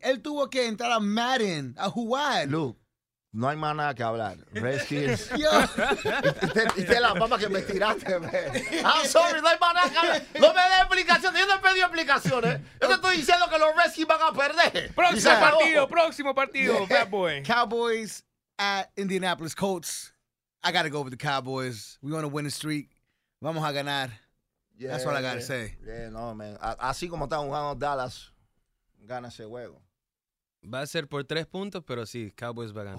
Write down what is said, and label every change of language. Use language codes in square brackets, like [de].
[es] Él tuvo que entrar a Madden a jugar. Luke, no hay más nada que hablar. Redskins. Yo. Y te la mamá que me tiraste. [en] Man. I'm sorry, [es] no hay más nada que hablar. No me des explicaciones. Yo no he pedido explicaciones. Yo te estoy diciendo que los Redskins van a perder. Próximo partido, [en] bad boy. Cowboys at Indianapolis Colts. I got to go with the Cowboys. We want to win the streak. [es] Vamos a ganar. [en] Yeah, that's what I gotta say. Yeah, no, man. [es] Así como está jugando Dallas, gana ese juego. Va a ser por 3 puntos, pero sí, Cowboys va a ganar.